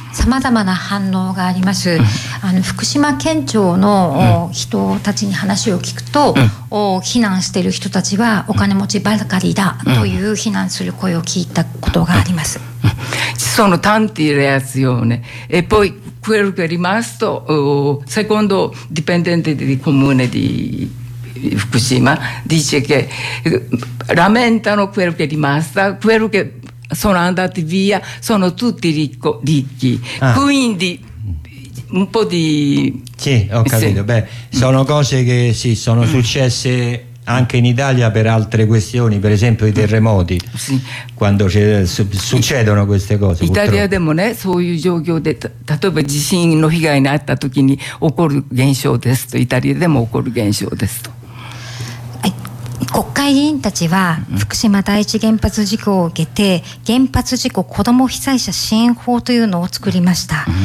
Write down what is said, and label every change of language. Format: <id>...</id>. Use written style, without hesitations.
<ja>さまざまな反応があります。福島県庁の人たちに話を聞くと、避難してる人たちはお金持ちばかりだという避難する声を聞いたことがあります。</ja> <it>ci sono tanti reazioni e poi quello che è rimasto secondo dipendente di comune di Fukushima dice che lamentano quello che è rimasto, quello che sono andati via sono tutti ricchi. Quindi un po' di sono cose che sono successe anche in Italia per altre questioni, per esempio i terremoti, quando succedono queste cose.</it> <ja>Italia でもね、そういう状況で、例えば地震の被害にあった時に起こる現象ですと、イタリアでも起こる現象ですと。国会議員たちは福島第一原発事故を受けて原発事故子ども被災者支援法というのを作りました。</ja>